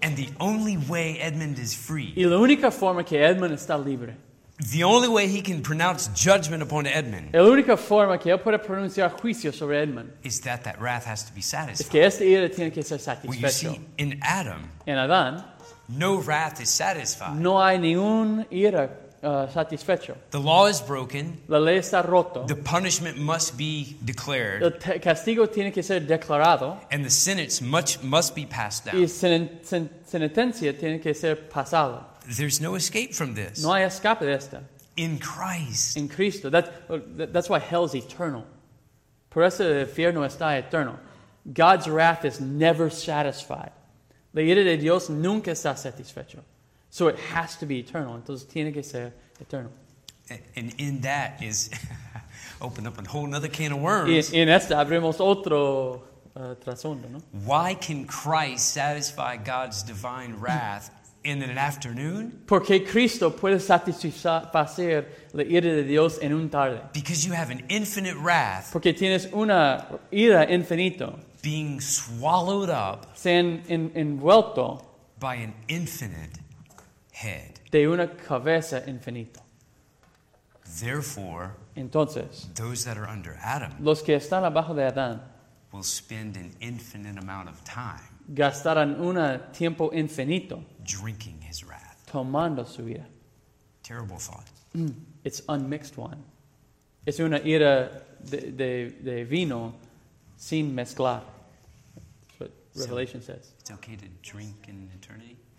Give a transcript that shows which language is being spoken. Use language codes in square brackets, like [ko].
[en] And the only way Edmund is free. [es] Y la única forma que Edmund está libre. [en] The only way he can pronounce judgment upon Edmund. [es] La única forma que él puede pronunciar juicio sobre Edmund. [en] Is that wrath has to be satisfied. [es] Es que esta ira tiene que ser satisfecha. [en] Well, you see, in Adam. [es] En Adán. [en] No wrath is satisfied. [es] No hay ningún ira satisfecho. [en] The law is broken. [es] La ley está roto. [en] The punishment must be declared. [es] El castigo tiene que ser declarado. [en] And the sentence must be passed down. [es] Y sentencia tiene que ser pasada. [en] There's no escape from this. [es] No hay escape de esta. [en] In Christ. [es] En Cristo. [en] That's why hell is eternal. [es] Por eso el infierno está eterno. [en] God's wrath is never satisfied. [es] La ira de Dios nunca está satisfecha. [en] So it has to be eternal. [es] Entonces tiene que ser eternal. [en] And in that is, open up a whole other can of worms. [es] En esta abrimos otro trasfondo, ¿no? [en] Why can Christ satisfy God's divine wrath in an afternoon? [es] Porque Cristo puede satisfacer la ira de Dios en un tarde. [en] Because you have an infinite wrath. [es] Porque tienes una ira infinito. [en] Being swallowed up. [es] Envuelto. [en] By an infinite head. [es] De una cabeza infinito. [en] Therefore. [es] Entonces. [en] Those that are under Adam. [es] Los que están abajo de Adán. [en] Will spend an infinite amount of time. [es] Gastarán un tiempo infinito. [en] Drinking his wrath. [es] Tomando su ira. [en] Terrible thought. It's unmixed wine. [es] Es una ira de vino sin mezclar. [en] That's what Revelation says. It's okay to drink in eternity?